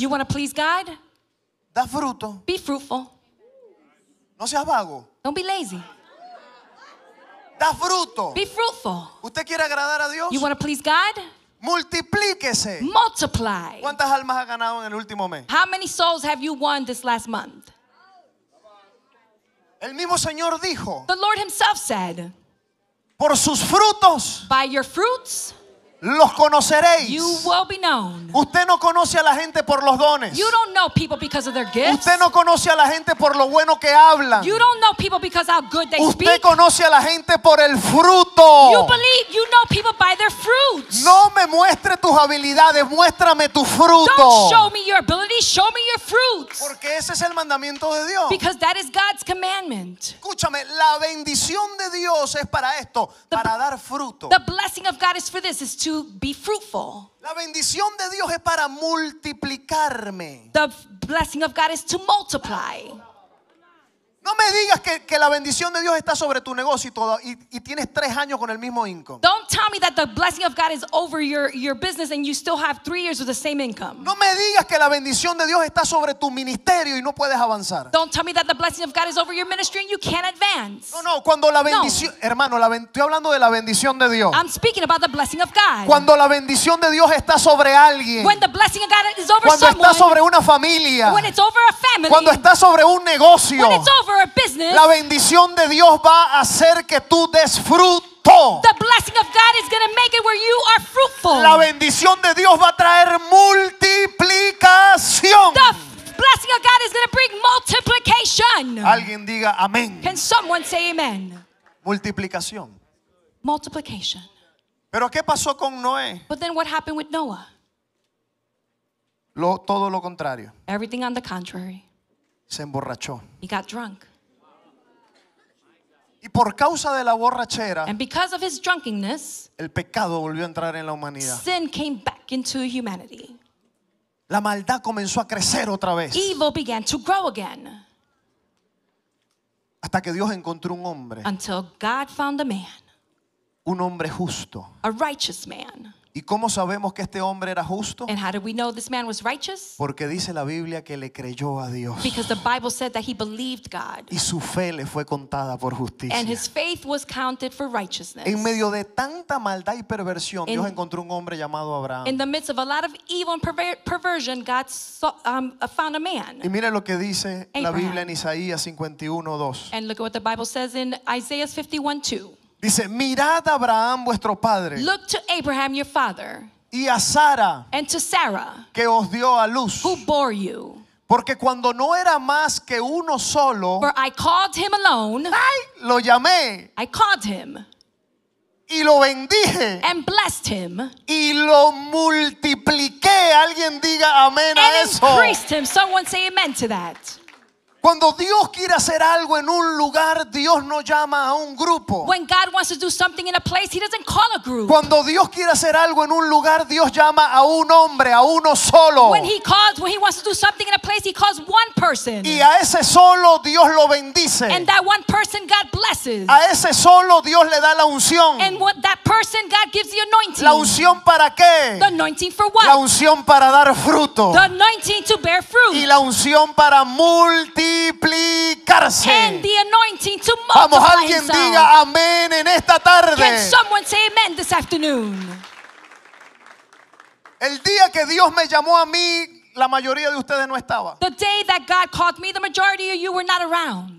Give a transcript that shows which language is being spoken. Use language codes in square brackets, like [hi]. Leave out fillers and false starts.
[en] You want to please God? [es] Da fruto. [en] Be fruitful. [es] No seas vago. [en] Don't be lazy. [es] Da fruto. [en] Be fruitful. [es] ¿Usted quiere agradar a Dios? [en] You want to please God? [es] Multiplíquese. [en] Multiply. [es] ¿Cuántas almas has ganado en el último mes? [en] How many souls have you won this last month? [es] El mismo Señor dijo. [en] The Lord himself said. [es] Por sus frutos. [en] By your fruits. [es] Los conoceréis. [en] You will be known. [es] Usted no conoce a la gente por los dones. [en] You don't know people because of their gifts. [es] Usted no conoce a la gente por lo bueno que hablan. [en] You don't know people because how good they [es] usted [en] speak. [es] Usted conoce a la gente por el fruto. [en] You believe, you know people by their fruits. [es] No me muestre tus habilidades, muéstrame tu fruto. [en] Don't show me your ability, show me your fruits. [es] Porque ese es el mandamiento de Dios. [en] Because that is God's commandment. [es] Escúchame, la bendición de Dios es para esto, para dar fruto. [en] The blessing of God is for this, is to be fruitful. [es] La bendición de Dios es para multiplicarme. [en] The blessing of God is to multiply. [es] No me digas que la bendición de Dios está sobre tu negocio y todo y tienes tres años con el mismo income. [en] Don't tell me that the blessing of God is over your business and you still have 3 years with the same income. [es] No me digas que la bendición de Dios está sobre tu ministerio y no puedes avanzar. [en] Don't tell me that the blessing of God is over your ministry and you can't advance. [es] No, cuando la bendición, no. Hermano, estoy hablando de la bendición de Dios. [en] I'm speaking about the blessing of God. [es] Cuando la bendición de Dios está sobre alguien. [en] When the blessing of God is over [es] cuando Cuando está sobre una familia. [en] When it's over a family. [es] Cuando está sobre un negocio. [en] When it's over a business, [es] la bendición de Dios va a hacer que tú des fruto. [en] The blessing of God is going to make it where you are fruitful. [es] La bendición de Dios va a traer multiplicación. [en] The blessing of God is going to bring multiplication. [es] Alguien diga amén. [en] Can someone say amen? [es] Multiplicación. [en] Multiplication. [es] ¿Pero qué pasó con Noé? [en] But then what happened with Noah? [es] Todo lo contrario. [en] Everything on the contrary. [es] Se emborrachó. [en] He got drunk. [es] Y por causa de la borrachera, [en] and because of his drunkenness, [es] el pecado volvió a entrar en la humanidad. [en] Sin came back into humanity. [es] La maldad comenzó a crecer otra vez. [en] Evil began to grow again. [es] Hasta que Dios encontró un hombre. [en] Until God found a man. [es] Un hombre justo. [en] A righteous man. [es] ¿Y cómo sabemos que este hombre era justo? [en] And how did we know this man was righteous? [es] Porque dice la Biblia que le creyó a Dios. [en] Because the Bible said that he believed God. [es] Y su fe le fue contada por justicia. [en] And his faith was counted for righteousness. [es] En medio de tanta maldad y perversión, Dios encontró un hombre llamado Abraham. [en] In the midst of a lot of evil and perversion, God found a man. [es] Y mire lo que dice la Biblia en Isaías 51:2. [en] And look at what the Bible says in Isaiah 51:2. [es] Dice, mirad a Abraham vuestro padre. [en] Look to Abraham your father. [es] Y a Sara. [en] And to Sarah. [es] Que os dio a luz. [en] Who bore you. [es] Porque cuando no era más que uno solo, [en] for I called him alone. [es] Ay, lo llamé. [en] I called him. [es] Y lo bendije. [en] And blessed him. [es] Y lo multipliqué. Alguien diga amén a eso. [en] And increased him. Someone say amen to that. [es] Cuando Dios quiere hacer algo en un lugar, Dios no llama a un grupo. [en] When God wants to do something in a place, he doesn't call a group. [es] Cuando Dios quiere hacer algo en un lugar, Dios llama a un hombre, a uno solo. [en] When he wants to do something in a place, he calls one person. [es] Y a ese solo Dios lo bendice. [en] And that one person God blesses. [es] A ese solo Dios le da la unción. [en] And what that person God gives the anointing. [es] ¿La unción para qué? [en] The anointing for what? [es] La unción para dar fruto. [en] The anointing to bear fruit. [es] Y la unción para multiplicar. [en] And the anointing to multiply. [es] Vamos, alguien diga amén en esta tarde. [en] Can someone say amen this afternoon? [es] El día que Dios me llamó a mí, la mayoría de ustedes no estaba. [en] The day that God called me, the majority of you were not around.